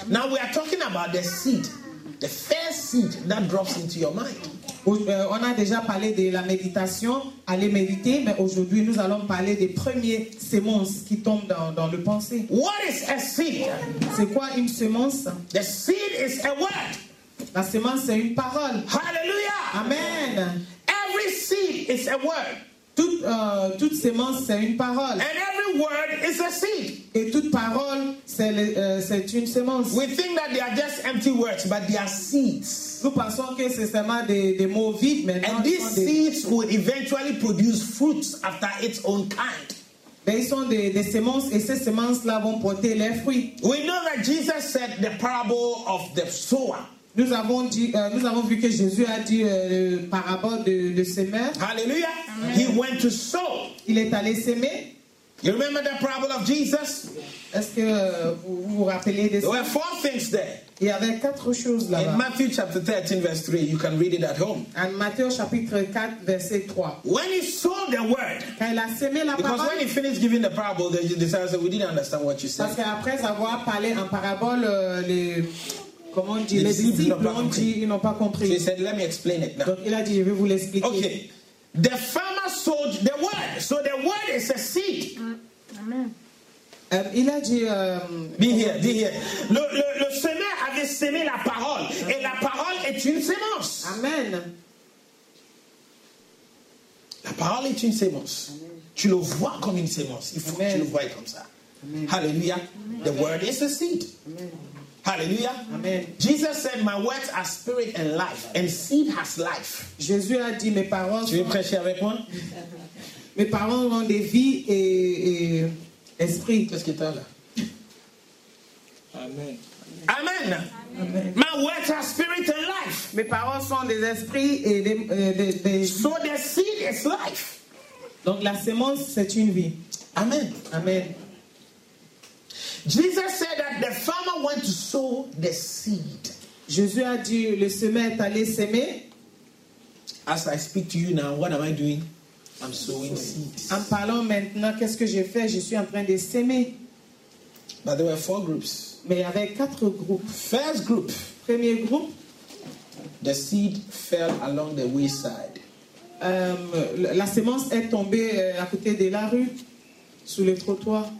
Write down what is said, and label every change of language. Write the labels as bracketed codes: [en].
[en] Now we are talking about the seed, the first seed that drops into your mind. [fr] On a déjà parlé de la méditation, aller méditer, mais aujourd'hui nous allons parler des premières semences qui tombent dans le pensée. [en] What is a seed? [fr] C'est quoi une semence? [en] The seed is a word. [fr] La semence c'est une parole. Hallelujah. Amen. [en] Every seed is a word. [fr] Toute semence c'est une parole. [en] And every word is a seed. [fr] Et toute parole c'est une semence. [en] We think that they are just empty words, but they are seeds. [fr] Nous pensons que c'est seulement des mots vides, mais [en] non. And these seeds will eventually produce fruits after its own kind. [fr] Mais ils sont des semences et ces semences-là vont porter leurs fruits. [en] We know that Jesus said the parable of the sower. [fr] Nous avons vu que Jésus a dit parabole de semeur. [en] Hallelujah. Amen. He went to sow. [fr] Il est allé semer. [en] You remember the parable of Jesus? [fr] Est-ce que vous vous rappelez de ça? [en] There were 4 things there. [fr] Il y avait 4 choses là-bas. [en] In Matthew chapter 13 verse 3, you can read it at home. [fr] En Matthieu chapitre 4 verset 3. [en] When he saw the word. [fr] Quand il a semé la parole. [en] Because when he finished giving the parable, the disciples said, "We didn't understand what you said." [fr] Parce qu'après avoir parlé en parable les disciples n'ont pas compris. [en] He said, "Let me explain it now." [fr] Donc il a dit, "Je vais vous l'expliquer." [en] Okay. The farmer sowed the word. So the word is a seed. [fr] Amen. Il a dit... [en] Be here. [fr] Le semeur avait semé la parole. Amen. Et la parole est une semence. Amen. La parole est une semence. Amen. Tu le vois comme une semence. Il faut que tu le vois comme ça. [en] Amen. Hallelujah. Amen. The word is a seed. Amen. Hallelujah. Amen. Jesus said, "My words are spirit and life, and seed has life." [fr] Jésus a dit, mes paroles... Tu veux prêcher avec moi? Mes parents ont des vies et esprit. Qu'est-ce que t'as là? Amen. Amen. Amen. [en] My words are spirit and life. [fr] Mes parents sont des esprits et des [en] So the seed is life. [fr] Donc la semence c'est une vie. Amen. Amen. [en] Jesus said that the farmer went to sow the seed. [fr] Jésus a dit le semeur est allé semer. [en] As I speak to you now, what am I doing? I'm sowing seeds. [fr] En parlant maintenant, qu'est-ce que j'ai fait? Je suis en train de semer. [en] But there were 4 groups. [fr] Mais il y avait 4 groupes. [en] First group. [fr] Premier groupe. [en] The seed fell along the wayside. [fr] La semence est tombée à côté de la rue, sous le trottoir.